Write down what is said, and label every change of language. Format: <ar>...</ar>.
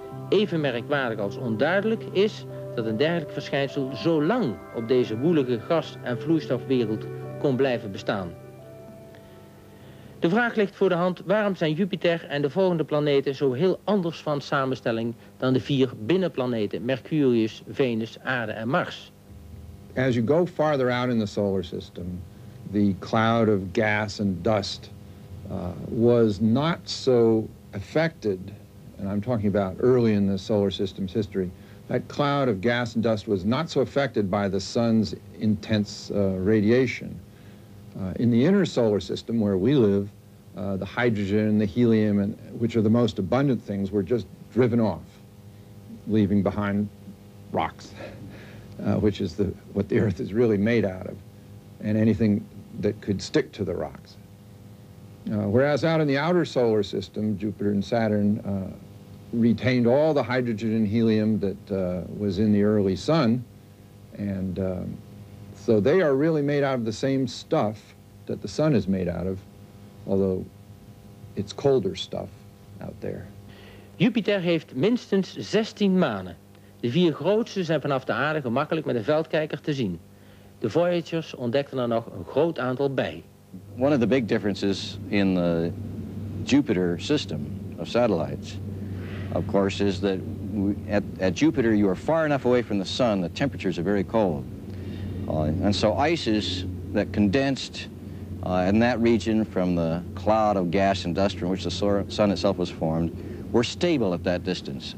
<nl>Even merkwaardig als onduidelijk is dat een dergelijk verschijnsel zo lang op deze woelige gas- en vloeistofwereld kon blijven bestaan. De vraag ligt voor de hand, waarom zijn Jupiter en de volgende planeten zo heel anders van samenstelling dan de vier binnenplaneten Mercurius, Venus, Aarde en Mars?</nl> <en>As you go farther out in the solar system, the cloud of gas and dust was not so affected, and I'm talking about early in the solar system's history, that cloud of gas and dust was not so affected by the sun's intense radiation. In the inner solar system where we live, the hydrogen, the helium, and which are the most abundant things, were just driven off, leaving behind rocks, which is what the Earth is really made out of, and anything that could stick to the rocks. Whereas out in the outer solar system, Jupiter and Saturn retained all the hydrogen and helium that was in the early sun, and so they are really made out of the same stuff that the sun is made out of, although it's colder stuff out there.</en> <nl>Jupiter heeft minstens 16 manen. De vier grootste zijn vanaf de aarde gemakkelijk met een veldkijker te zien. De Voyagers ontdekten er nog een groot aantal bij.</nl> <en>One of the big differences in the Jupiter system of satellites, of course, is that at Jupiter you are far enough away from the sun, the temperatures are very cold. And so ices that condensed in that region from the cloud of gas and dust from which the sun itself was formed were stable at that distance.</en>